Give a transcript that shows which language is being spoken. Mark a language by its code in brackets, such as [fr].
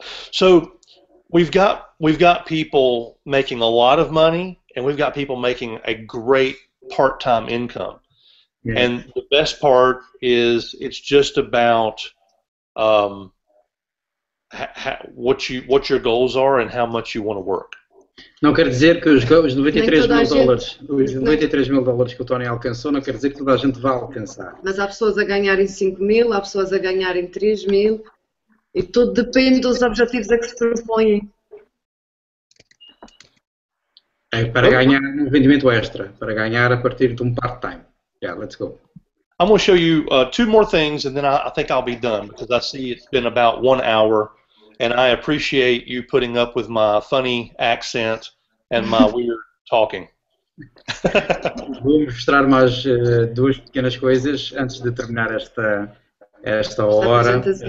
[en] So we've got people making a lot of money, and we've got people making a great part-time income. Yeah. And the best part is, it's just about what your goals are and how much you want to work. [pt] Não quer dizer que os 93 mil dólares que o Tony alcançou, não quer dizer que toda a gente vá alcançar. Mas há pessoas a ganharem 5 mil, há pessoas a ganharem 3 mil, e tudo depende dos objetivos a que se propõem. É para ganhar um rendimento extra, para ganhar a partir de um part-time. [en] Yeah, let's go. I'm going to show you two more things, and then I think I'll be done, because I see it's been about 1 hour, and I appreciate you putting up with my funny accent and my weird talking. [pt] Vou mostrar mais duas pequenas coisas antes de terminar esta hora, apresentação.